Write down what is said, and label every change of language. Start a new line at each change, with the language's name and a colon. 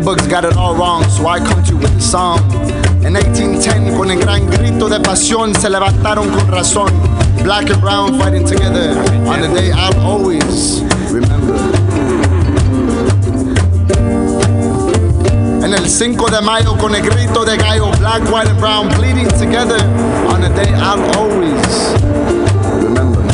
English: Got it all wrong, so I come to you with a song. In 1810,
Spanish: con el gran grito de pasión, se levantaron con razón.
English: Black and brown fighting together on the day I'll always remember.
Spanish: En el 5 de mayo, con el grito de gallo,
English: black, white, and brown bleeding together on the day I'll always remember.